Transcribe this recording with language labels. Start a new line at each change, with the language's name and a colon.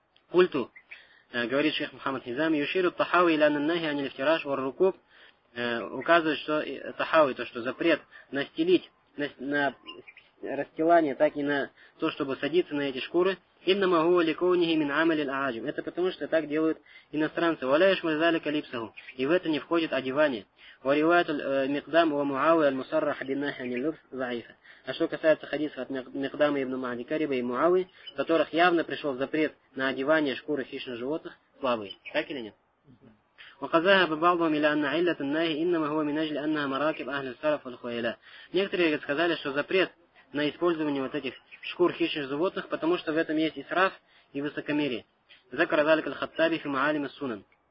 Russian: Культу, говорит шейх Мухаммад Хизам,
Arabic: юширу тахауи ля наннахи ани лифтираш вар рукуб,
Russian: указывает, что тахауи, то что запрет настелить, на расстилание, так и на то, чтобы садиться на эти шкуры,
Arabic: инна ма хуа ликоунихи мин амали л'ааджим.
Russian: Это потому, что так делают иностранцы.
Arabic: Ва ля яшмаль залика липсаху.
Russian: И в это не входит одевание.
Arabic: وروايه المقدام ومعاويه المصرح بالنهي عن اللبس ضعيفه.
Russian: А что касается хадисов от Мигдама ибн Маади Кариба и Муави, в которых явно пришел запрет на одевание шкуры хищных животных, слабые. Так или нет?
Arabic: وقذاها ببعضهم الى ان عله النهي انما هو من اجل انها مراكب اهل السلف والخيلاء.
Russian: Некоторые сказали, что запрет на использование вот этих шкур хищных животных, потому что в этом есть исраф и высокомерие.
Arabic: ذكر ذلك الخطابي في معالم السنن.